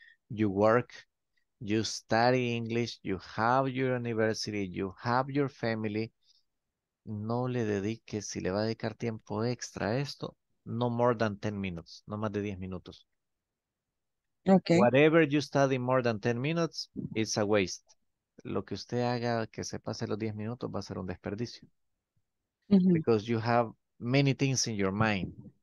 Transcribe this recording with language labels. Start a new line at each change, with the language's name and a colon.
English: You work, you study English, you have your university, you have your family.
Spanish: No le dedique, si le va a dedicar tiempo extra a esto,
English: no more than 10 minutes,
Spanish: no más de 10 minutos.
English: Okay. Whatever you study more than 10 minutes, it's a waste.
Spanish: Lo que usted haga que se pase los 10 minutos va a ser un desperdicio. Mm-hmm.
English: Because you have many things in your mind.